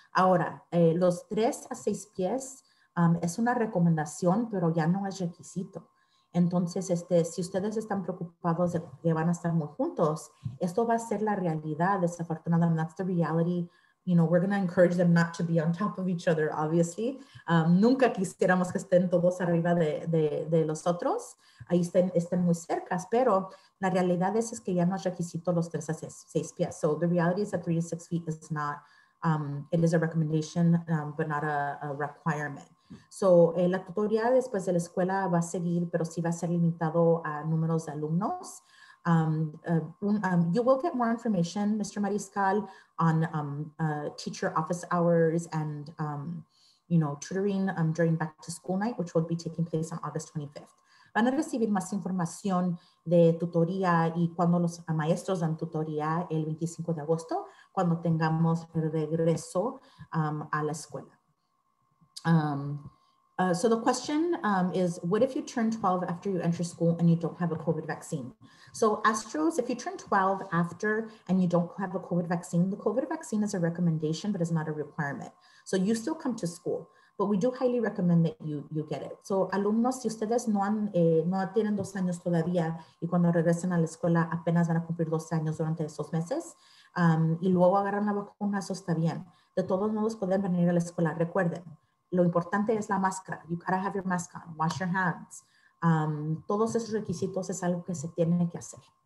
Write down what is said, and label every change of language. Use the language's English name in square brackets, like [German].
[Spanish] Ahora, los 3 a 6 pies es una recomendación, pero ya no es requisito. Entonces, si ustedes están preocupados de que van a estar muy juntos, esto va a ser la realidad, desafortunadamente. [English] That's the reality. You know, we're going to encourage them not to be on top of each other, obviously. [Spanish] Nunca quisiéramos que estén todos arriba de los otros. Ahí estén muy cerca, pero la realidad es que ya no es requisito los 3 a 6 pies. [English] So the reality is that 3 to 6 feet is not, it is a recommendation, but not a requirement. [Spanish] So, la tutoría después de la escuela va a seguir, pero sí va a ser limitado a números de alumnos. [English] You will get more information, Mr. Mariscal, on teacher office hours and, you know, tutoring during back to school night, which will be taking place on August 25th. [Spanish] Van a recibir más información de tutoría y cuando los maestros dan tutoría el 25 de agosto, cuando tengamos el regreso a la escuela. [English] So the question is, what if you turn 12 after you enter school and you don't have a COVID vaccine? So Astros, if you turn 12 after and you don't have a COVID vaccine, the COVID vaccine is a recommendation, but it's not a requirement. So you still come to school, but we do highly recommend that you get it. [Spanish] So alumnos, si ustedes no tienen 2 años todavía y cuando regresen a la escuela apenas van a cumplir 2 años durante esos meses, y luego agarran la vacuna, eso está bien. De todos modos pueden venir a la escuela, recuerden. Lo importante es la máscara. [English] You gotta have your mask on. Wash your hands. [Spanish] Todos esos requisitos es algo que se tiene que hacer.